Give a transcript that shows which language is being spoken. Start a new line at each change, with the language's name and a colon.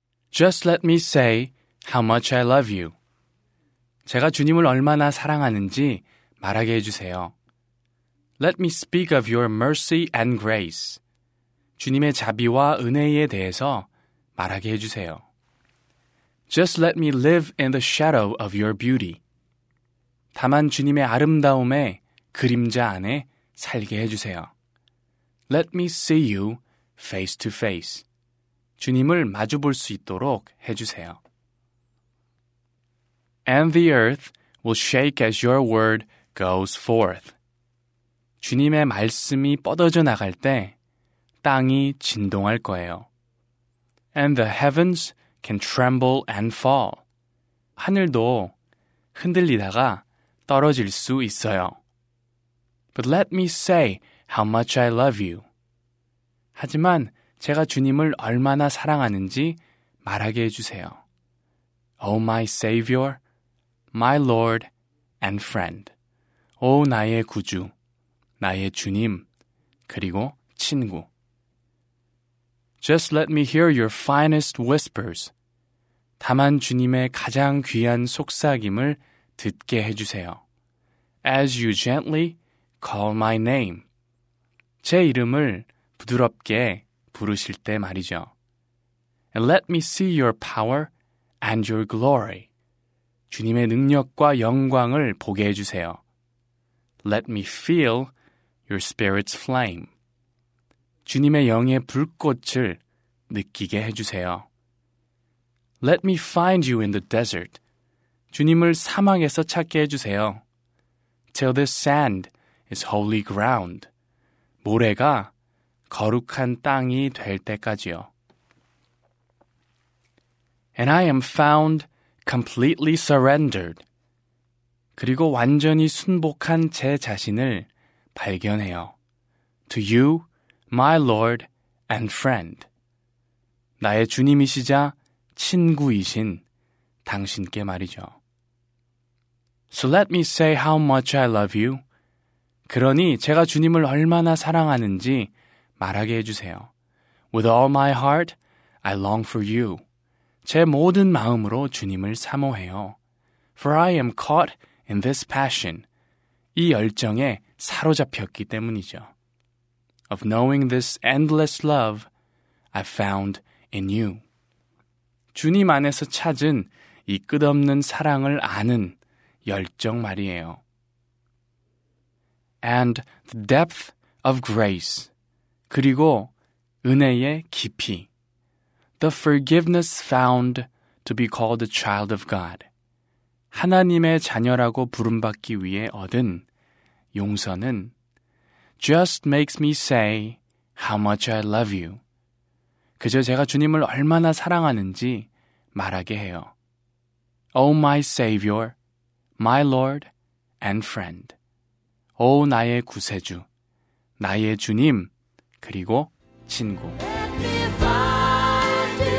English: Just let me say how much I love you.
Korean: 제가 주님을 얼마나 사랑하는지 말하게 해주세요.
English: Let me speak of your mercy and grace.
Korean: 주님의 자비와 은혜에 대해서 말하게 해주세요.
English: Just let me live in the shadow of your beauty.
Korean: 다만 주님의 아름다움의 그림자 안에 살게 해주세요.
English: Let me see you face to face.
Korean: 주님을 마주 볼 수 있도록 해주세요.
English: And the earth will shake as your word goes forth.
Korean: 주님의 말씀이 뻗어져 나갈 때 땅이 진동할 거예요.
English: And the heavens can tremble and fall.
Korean: 하늘도 흔들리다가 떨어질 수 있어요.
English: But let me say how much I love you.
Korean: 하지만 제가 주님을 얼마나 사랑하는지 말하게 해주세요.
English: O my Savior, my Lord and friend.
Korean: O 나의 구주, 나의 주님, 그리고 친구.
English: Just let me hear your finest whispers.
Korean: 다만 주님의 가장 귀한 속삭임을 듣게 해주세요.
English: As you gently call my name.
Korean: 제 이름을 부드럽게 부르실 때 말이죠.
English: And let me see your power and your glory.
Korean: 주님의 능력과 영광을 보게 해주세요.
English: Let me feel your spirit's flame.
Korean: 주님의 영의 불꽃을 느끼게 해주세요.
English: Let me find you in the desert.
Korean: 주님을 사막에서 찾게 해주세요.
English: Till this sand is holy ground.
Korean: 모래가 거룩한 땅이 될 때까지요.
English: And I am found completely surrendered.
Korean: 그리고 완전히 순복한 제 자신을 발견해요.
English: To you, my Lord and friend.
Korean: 나의 주님이시자 친구이신 당신께 말이죠.
English: So let me say how much I love you.
Korean: 그러니 제가 주님을 얼마나 사랑하는지 말하게 해주세요.
English: With all my heart, I long for you.
Korean: 제 모든 마음으로 주님을 사모해요.
English: For I am caught in this passion.
Korean: 이 열정에 사로잡혔기 때문이죠.
English: Of knowing this endless love I found in you.
Korean: 주님 안에서 찾은 이 끝없는 사랑을 아는 열정 말이에요.
English: And the depth of grace.
Korean: 그리고 은혜의 깊이,
English: the forgiveness found to be called a child of God,
Korean: 하나님의 자녀라고 부름받기 위해 얻은 용서는
English: just makes me say how much I love you.
Korean: 그저 제가 주님을 얼마나 사랑하는지 말하게 해요.
English: O my Savior, my Lord and friend.
Korean: O 나의 구세주, 나의 주님, 그리고 친구.
English: Let me find